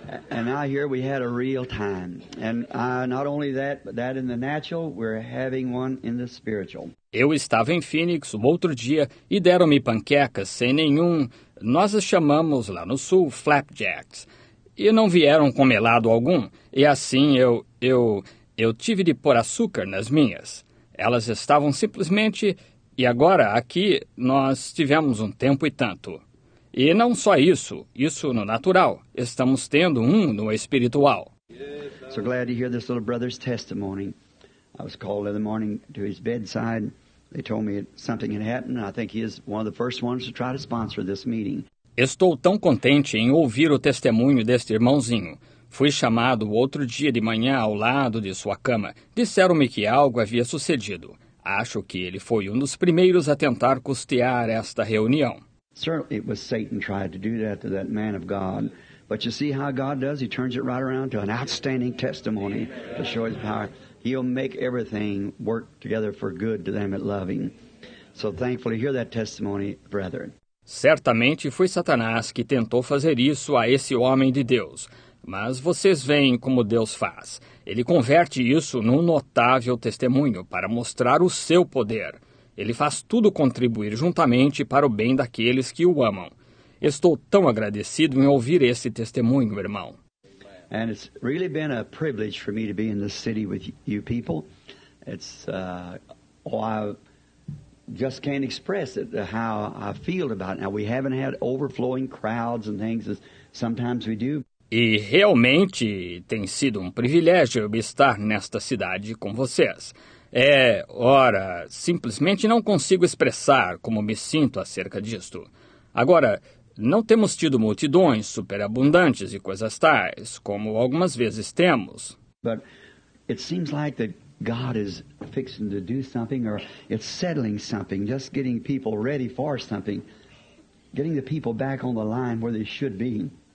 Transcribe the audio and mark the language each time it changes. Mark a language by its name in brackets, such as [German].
[English] And out here we had a real time. And not only that, but that in the natural, we're having one in the spiritual. [Portuguese] Eu estava em Phoenix o outro dia e deram-me panquecas sem nenhum. Nós as chamamos lá no sul flapjacks. E não vieram com melado algum. E assim eu tive de pôr açúcar nas minhas. Elas estavam simplesmente, e agora, aqui, nós tivemos um tempo e tanto. E não só isso, isso no natural, estamos tendo um no espiritual. [English] So glad to hear this little brother's testimony. I was called in the morning to his bedside. They told me something had happened, and I think he is one of the first ones to try to sponsor this meeting. [Portuguese] Estou tão contente em ouvir o testemunho deste irmãozinho. Fui chamado outro dia de manhã ao lado de sua cama. Disseram-me que algo havia sucedido. Acho que ele foi um dos primeiros a tentar custear esta reunião. [English] Certainly it was Satan tried to do that to that man of God. But you see how God does? He turns it right around to an outstanding testimony to show his power. He'll make everything work together for good to them that love him. So thankfully hear that testimony, brethren. [Portuguese] Certamente foi Satanás que tentou fazer isso a esse homem de Deus. Mas vocês veem como Deus faz. Ele converte isso num notável testemunho para mostrar o seu poder. Ele faz tudo contribuir juntamente para o bem daqueles que o amam. Estou tão agradecido em ouvir esse testemunho, irmão. [English] And it's really been a privilege for me to be in this city with you people. It's I just can't express it how I feel about it. Now we haven't had overflowing crowds and things as sometimes we do. [Portuguese] E realmente tem sido um privilégio estar nesta cidade com vocês. É, ora, simplesmente não consigo expressar como me sinto acerca disto. Agora, não temos tido multidões superabundantes e coisas tais, como algumas vezes temos. [English] But it seems like that God is fixing to do something, or it's settling something, just getting people ready for something, getting the people back on the line where they should be.